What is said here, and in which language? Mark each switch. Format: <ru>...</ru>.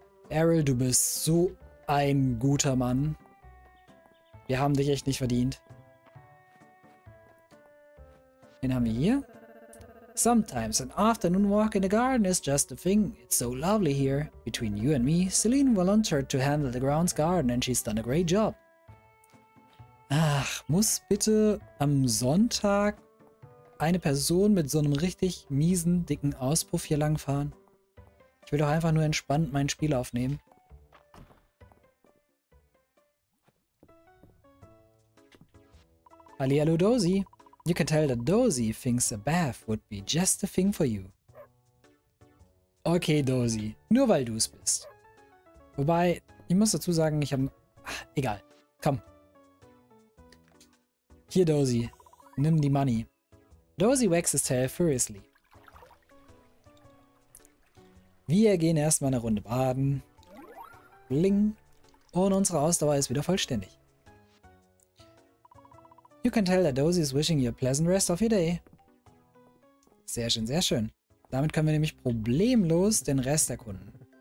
<de>Errol, du bist so ein guter Mann. Wir haben dich echt nicht verdient. Den haben wir hier.</de> <en>Sometimes an afternoon walk in the garden is just a thing. It's so lovely here. Between you and me, Celine volunteered to handle the grounds garden and she's done a great job.</en> <de>Ach, muss bitte am Sonntag eine Person mit so einem richtig miesen, dicken Auspuff hier langfahren? Ich will doch einfach nur entspannt mein Spiel aufnehmen. Hallihallo, Dozy.</de> <en>You can tell that Dozy thinks a bath would be just the thing for you.</en> <de>Okay, Dozy. Nur weil du es bist. Wobei, ich muss dazu sagen, ich habe... egal. Komm. Hier, Dozy. Nimm die Money.</de> <en>Dozy wags his tail furiously.</en> <de>Wir gehen erstmal eine Runde baden. Bling. Und unsere Ausdauer ist wieder vollständig.</de> <en>You can tell that Dozy is wishing you a pleasant rest of your day.</en> <de>Sehr schön, sehr schön. Damit können wir nämlich problemlos den Rest erkunden.</de>